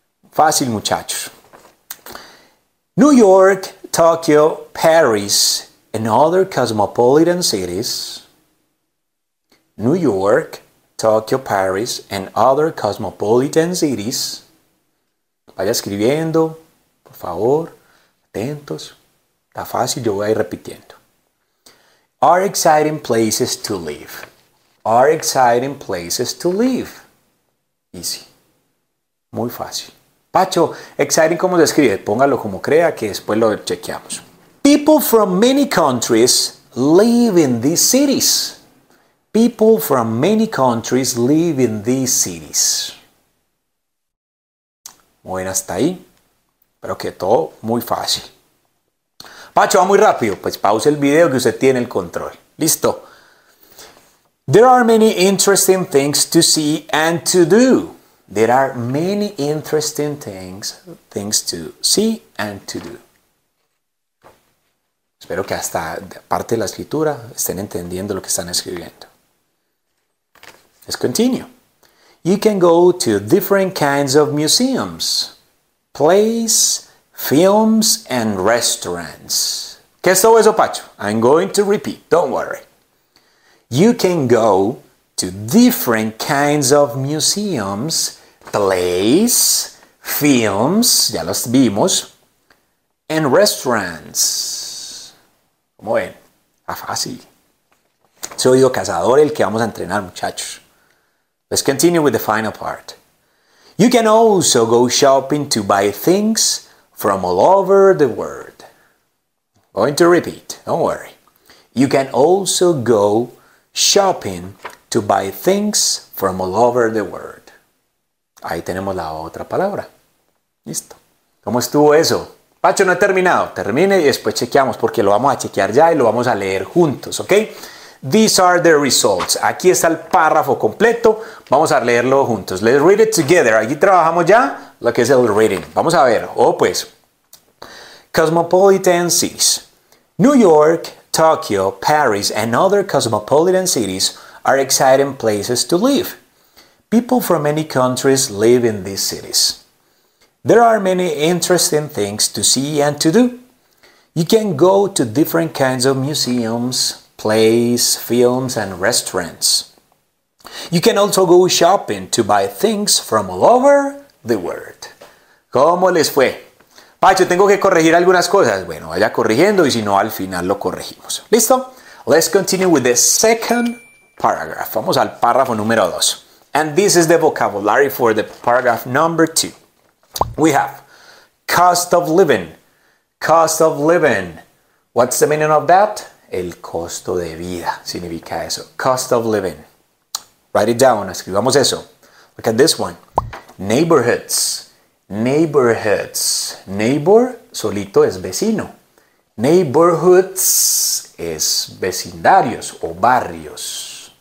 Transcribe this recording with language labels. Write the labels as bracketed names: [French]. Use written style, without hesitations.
[Spanish] Fácil, muchachos. [English] New York, Tokyo, Paris, and other cosmopolitan cities. New York, Tokyo, Paris, and other cosmopolitan cities. [Spanish] Vaya escribiendo, por favor, atentos. Está fácil, yo voy a ir repitiendo. [English] Are exciting places to live. Are exciting places to live. Easy. [Spanish] Muy fácil. Pacho, exciting, ¿cómo se escribe? Póngalo como crea, que después lo chequeamos. [English] People from many countries live in these cities. People from many countries live in these cities. [Spanish] Bueno, hasta ahí. Pero que todo muy fácil. Pacho, va muy rápido. Pues pause el video que usted tiene el control. Listo. [English] There are many interesting things to see and to do. There are many interesting things to see and to do. [Spanish] Espero que hasta parte de la escritura estén entendiendo lo que están escribiendo. [English] Let's continue. You can go to different kinds of museums, plays, films, and restaurants. [Spanish] ¿Qué es todo eso, Pacho? [English] I'm going to repeat. Don't worry. You can go to different kinds of museums, plays, films, [Spanish] ya los vimos, [English] and restaurants. [Spanish] ¿Cómo ven? Está fácil. Soy yo cazador el que vamos a entrenar, muchachos. [English] Let's continue with the final part. You can also go shopping to buy things from all over the world. Going to repeat, don't worry. You can also go shopping to buy things from all over the world. [Spanish] Ahí tenemos la otra palabra. Listo. ¿Cómo estuvo eso? Pacho, no he terminado. Termine y después chequeamos porque lo vamos a chequear ya y lo vamos a leer juntos, ¿ok? [English] These are the results. [Spanish] Aquí está el párrafo completo. Vamos a leerlo juntos. [English] Let's read it together. [Spanish] Aquí trabajamos ya lo que es el reading. Vamos a ver. Oh, pues. [English] Cosmopolitan cities. New York, Tokyo, Paris, and other cosmopolitan cities are exciting places to live. People from many countries live in these cities. There are many interesting things to see and to do. You can go to different kinds of museums, plays, films, and restaurants. You can also go shopping to buy things from all over the world. [Spanish] ¿Cómo les fue? Pacho, tengo que corregir algunas cosas. Bueno, vaya corrigiendo y si no, al final lo corregimos. ¿Listo? [English] Let's continue with the second paragraph. [Spanish] Vamos al párrafo número 2. [English] And this is the vocabulary for the paragraph number 2. We have cost of living. Cost of living. What's the meaning of that? [Spanish] El costo de vida significa eso. [English] Cost of living. Write it down. [Spanish] Escribamos eso. [English] Look at this one. Neighborhoods. Neighborhoods. [Spanish] Neighbor, solito, es vecino. Neighborhoods es vecindarios o barrios.